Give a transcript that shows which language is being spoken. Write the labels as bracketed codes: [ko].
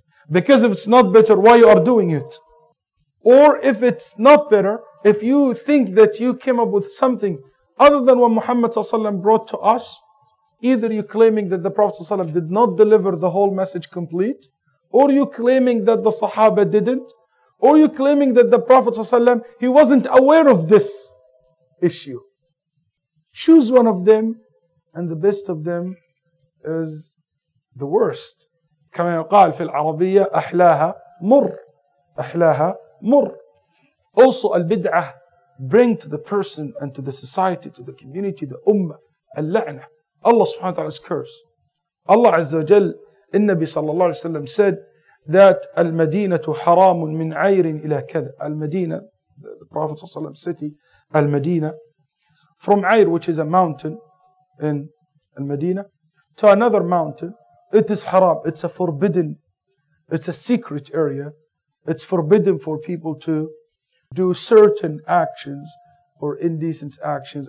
[en] Because if it's not better, why you are doing it? Or if it's not better, if you think that you came up with something other than what Muhammad ﷺ brought to us, either you're claiming that the Prophet ﷺ did not deliver the whole message complete, or you're claiming that the Sahaba didn't, or you're claiming that the Prophet ﷺ, he wasn't aware of this issue. Choose one of them, and the best of them is the worst. [ar] كما يقال في العربية أحلاها مر. أحلاها مر. [en] Also البدعة bring to the person and to the society, to the community, the ummah, اللعنة. Allah subhanahu wa ta'ala is cursed. [ar] Allah azza wa jal, النبي صلى الله عليه وسلم [en] said that [ar] المدينة حرام من عير إلى كذا. [en] المدينة, the Prophet صلى الله عليه وسلم city, المدينة, from عير, which is a mountain in المدينة, to another mountain. It is haram, it's a forbidden, it's a secret area. It's forbidden for people to do certain actions or indecent actions.